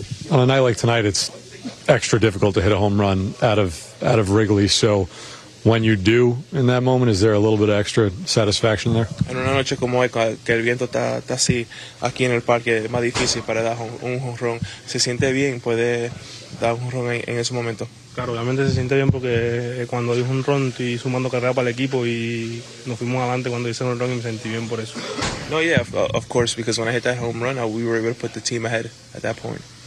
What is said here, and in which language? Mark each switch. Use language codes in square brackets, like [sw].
[en] On a night like tonight, it's extra difficult to hit a home run out of Wrigley, so when you do in that moment, is there a little bit of extra satisfaction there? [es] En una noche como hoy, que el viento está así aquí en el parque, es más difícil para dar un jonrón. ¿Se siente bien? ¿Puede dar un jonrón en ese momento? Claro, obviamente se siente bien porque cuando hice un jonrón estoy sumando carrera para el equipo y nos fuimos adelante cuando hice un jonrón y me sentí bien por eso. [en] No, yeah, of course, because when I hit that home run, we were able to put the team ahead at that point.